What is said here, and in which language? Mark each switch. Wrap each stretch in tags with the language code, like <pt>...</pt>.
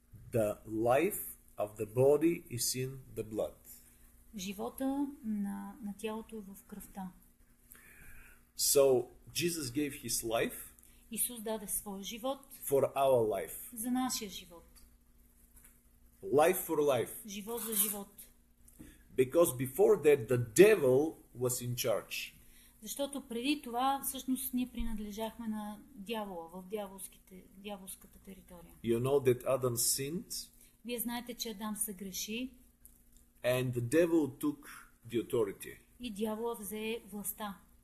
<en>The life of the body is in the blood.</en> <bg>Живота на тялото е в кръвта.</bg> <en>So Jesus gave his life.</en> <bg>Исус даде своя живот.</bg> <en>For our life.</en> <bg>За нашия живот.</bg> <en>Life for life.</en> <bg>Живот за живот.</bg> <en>Because before that the devil was in charge.</en> <bg>Защото преди това всъщност ние принадлежахме на дявола в дяволската територия.</bg> <en>You know that Adam sinned.</en> <bg>Вие знаете, че Адам съгреши.</bg> <en>And the devil took the authority.</en> <bg>И дявола взе властта.</bg>